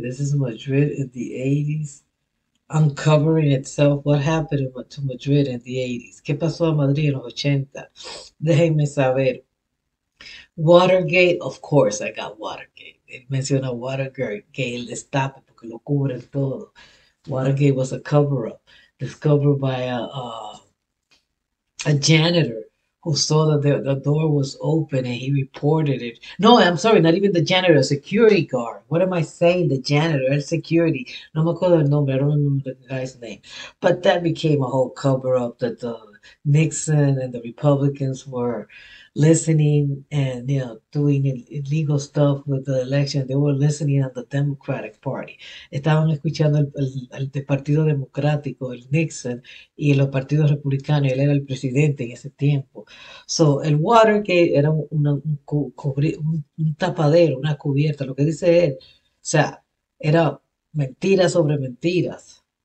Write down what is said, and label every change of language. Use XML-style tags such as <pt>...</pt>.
<en>This is Madrid in the 80s. Uncovering itself. What happened to Madrid in the 80s?</en> <es>¿Qué pasó a Madrid en los 80? Déjenme saber.</es> <en>Watergate, of course I got Watergate.</en> <es>Él menciona Watergate, el destape, porque lo cubre todo.</es> <en>Watergate was a cover-up discovered by a janitor who saw that the door was open and he reported it. No, I'm sorry, not even the janitor, a security guard. What am I saying? The janitor, el security.</en> <es>No me acuerdo el nombre,</es> <en>I don't remember the guy's name. But that became a whole cover-up that the Nixon and the Republicans were listening and, you know, doing illegal stuff with the election. They were listening on the Democratic Party.</en> <es>Estaban escuchando el Partido Democrático, el Nixon, y los partidos republicanos. Él era el presidente en ese tiempo. So, el Watergate era un tapadero, una cubierta, lo que dice él. O sea, era mentiras sobre mentiras.</es>